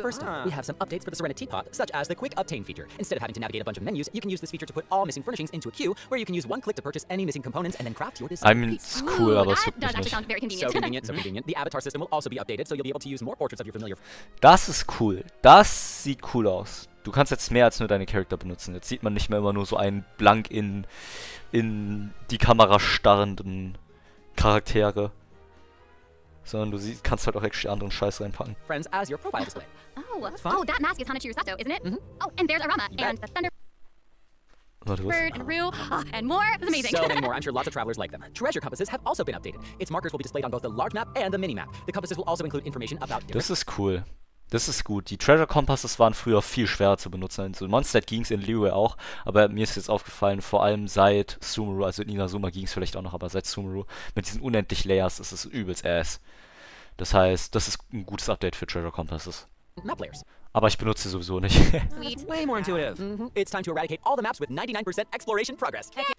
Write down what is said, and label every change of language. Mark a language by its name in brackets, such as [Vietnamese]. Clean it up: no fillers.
[English] First, we have some updates for the Serenity Teapot, such as the quick obtain feature. Instead of having to navigate a bunch of menus, you can use this feature to put all missing furnishings into a queue, where you can use one click to purchase any missing components and then craft your design. I mean, it's cool, ooh, [German] aber [English] that so does actually sound very convenient. So convenient, so convenient. The avatar system will also be updated, so you'll be able to use more portraits of your familiar. [German] Das ist cool. Das sieht cool aus. Du kannst jetzt mehr als nur deine Charakter benutzen. Jetzt sieht man nicht mehr immer nur so einen blank in die Kamera starrenden Charaktere. Sondern du kannst halt auch echt anderen Scheiß reinpacken. [English] Friends, as your profile display. Oh, that mask is Hanachiru Sato, isn't it? Mm-hmm. Oh, and there's Arama, and the Thunder... [German] Warte, [English] Bird, and Rue, and more. It's amazing. So many more. I'm sure lots of travelers like them. Treasure compasses have also been updated. Its markers will be displayed on both the large map and the mini map. The compasses will also include information about... [German] Das ist cool. Das ist gut. Die Treasure Compasses waren früher viel schwerer zu benutzen. In so Monster ging es in Liyue auch, aber mir ist jetzt aufgefallen, vor allem seit Sumeru, also in Inazuma ging es vielleicht auch noch, aber seit Sumeru, mit diesen unendlich Layers, ist es übelst ass. Das heißt, das ist ein gutes Update für Treasure Compasses. [English] Map layers. [German] Aber ich benutze sie sowieso nicht. [English] Sweet. Way more intuitive. Mm-hmm. It's time to eradicate all the maps with 99% exploration progress.